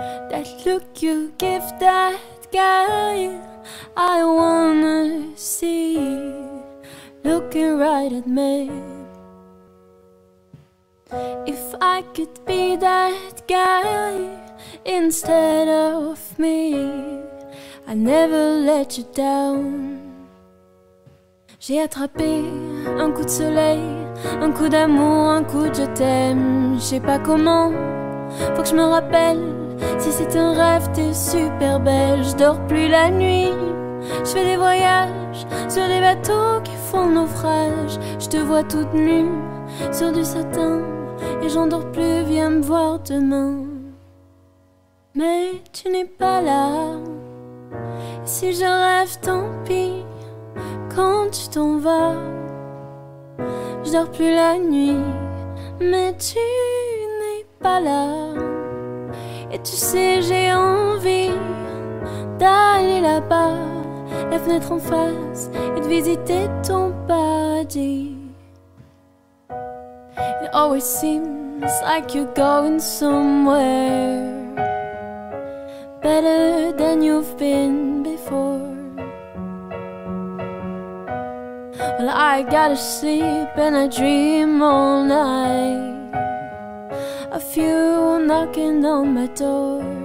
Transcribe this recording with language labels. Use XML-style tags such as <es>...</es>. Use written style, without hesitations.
<en>That look you give that guy, I wanna see looking right at me. If I could be that guy instead of me, I'd never let you down.</en> <fr>J'ai attrapé un coup de soleil, un coup d'amour, un coup de je t'aime. Je sais pas comment, faut que je me rappelle. Si c'est un rêve, t'es super belle. Je dors plus la nuit, je fais des voyages sur des bateaux qui font naufrage. Je te vois toute nue sur du satin et j'endors plus, viens me voir demain. Mais tu n'es pas là, si je rêve tant pis. Quand tu t'en vas, je dors plus la nuit. Mais tu n'es pas là, et tu sais j'ai envie d'aller là-bas, la fenêtre en face, et de visiter ton paradis.</fr> <en>It always seems like you're going somewhere better than you've been before. Well, I gotta sleep and I dream all night of you knocking on my door.</en>